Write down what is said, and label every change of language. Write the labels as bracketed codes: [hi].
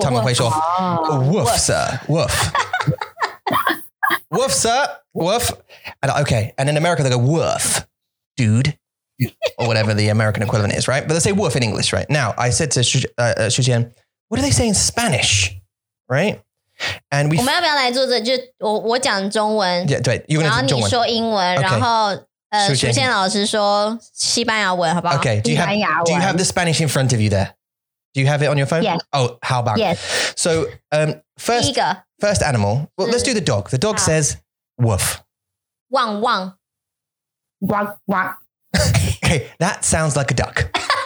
[en] Tamil Kwesho, woof, sir, woof. Woof, sir, woof. And okay, and in America, they go woof, dude, or whatever the American equivalent is, right? But they say woof in English, right? Now, I said to Shu Qian, what do they say in Spanish, right? And we. [zh] 我们要不要来做这？就我讲中文。 Yeah, 对，然后你说英文，然后。徐建老师说西班牙文，好不好？ [en] Okay, do you have the Spanish in front of you there? Do you have it on your phone? Yes. Oh, how about? Yes. So, first animal. Well, let's do the dog. The dog says woof. Wang wang. Wang wang. Okay, that sounds like a duck.